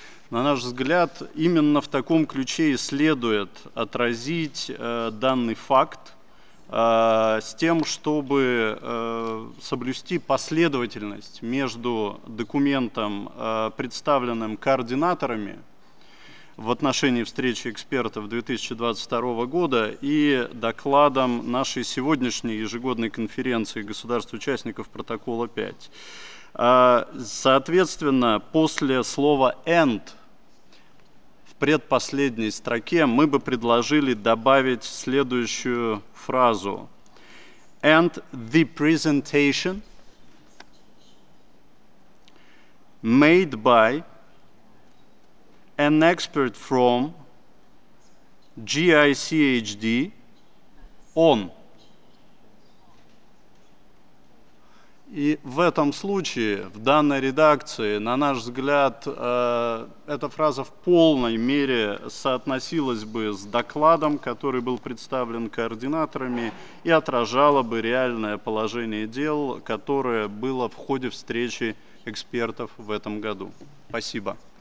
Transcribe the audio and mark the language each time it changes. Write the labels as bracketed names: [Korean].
[Russian] На наш взгляд, именно в таком ключе и следует отразить данный факт, с тем, чтобы соблюсти последовательность между документом, представленным координаторами в отношении встречи экспертов 2022 года и докладом нашей сегодняшней ежегодной конференции государств-участников протокола 5. Соответственно, после слова «end» в предпоследней строке мы бы предложили добавить следующую фразу. [English] And the presentation made by an expert from GICHD on. [Russian] И в этом случае, в данной редакции, на наш взгляд, эта фраза в полной мере соотносилась бы с докладом, который был представлен координаторами, и отражала бы реальное положение дел, которое было в ходе встречи экспертов в этом году. Спасибо.